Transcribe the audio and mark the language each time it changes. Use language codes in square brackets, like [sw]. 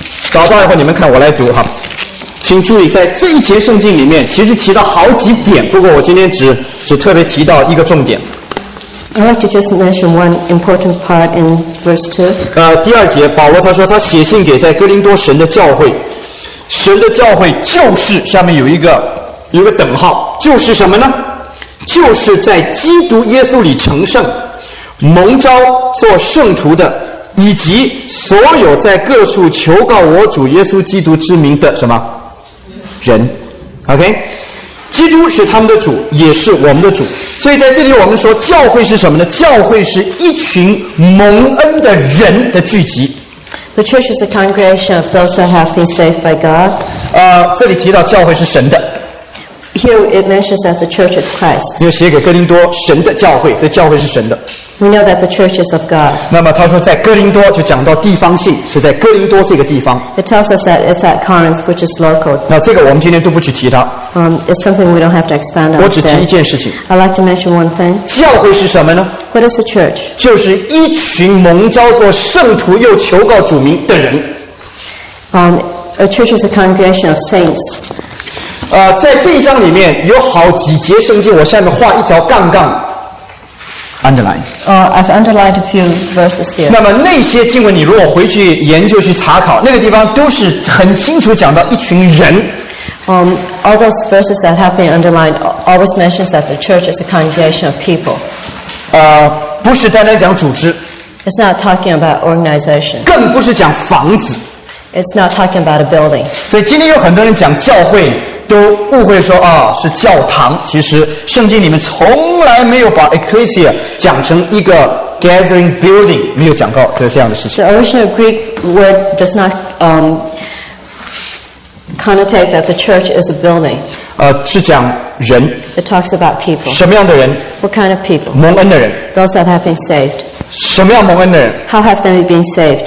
[zh] 找到以后你们看我来读哈，请注意在这一节圣经里面其实提到好几点，不过我今天只特别提到一个重点。 [en] I'd like to just mention one important part in verse 2. [zh] 第二节保罗他说他写信给在哥林多神的教会，神的教会就是下面有一个等号，就是什么呢？就是在基督耶稣里成圣蒙召做圣徒的，以及所有在各处求告我主耶稣基督之名的什么人。 OK， 基督是他们的主，也是我们的主。所以在这里我们说教会是什么呢？教会是一群蒙恩的人的聚集。 [en] The church is a congregation of those that have been saved by God. [zh] 这里提到教会是神的。 [en] Here it mentions that the church is Christ. [zh] 因为写给哥林多神的教会，所以教会是神的。 [en] We know that the church is of God. [zh] 那么他说在哥林多就讲到地方性，是在哥林多这个地方。 [en] It tells us that it's at Corinth, which is local. [zh] 那这个我们今天都不去提它。 [en] It's something we don't have to expand on. [zh] 我只提一件事情。 [en] I'd like to mention one thing. [zh] 教会是什么呢？ [en] What is the church? [zh] 就是一群蒙召做圣徒又求告主名的人。 [en] A church is a congregation of saints. [zh] 在这一章里面有好几节圣经，我下面画一条杠杠。 [en] Underline. I've underlined a few verses here. [zh] 那么那些经文，你如果回去研究去查考，那个地方都是很清楚讲到一群人。 [en] All those verses that have been underlined always mentions that the church is a congregation of people. [zh] 不是单单讲组织。 [en] It's not talking about organization. [zh] 更不是讲房子。 [en] It's not talking about a building. [zh] 所以今天有很多人讲教会。都误会说啊是教堂，其实圣经里面从来没有把 ecclesia 讲成一个 [en] gathering building， [zh] 没有讲过这样的事情。 [en] The original Greek word does not connotate that the church is a building. [zh] 是讲人。 [en] It talks about people. [zh] 什么样的人 [en] ？What kind of people？ [zh] 蒙恩的人。 [en] Those that have been saved. [zh] 什么样蒙恩的人 [en] ？How have they been saved？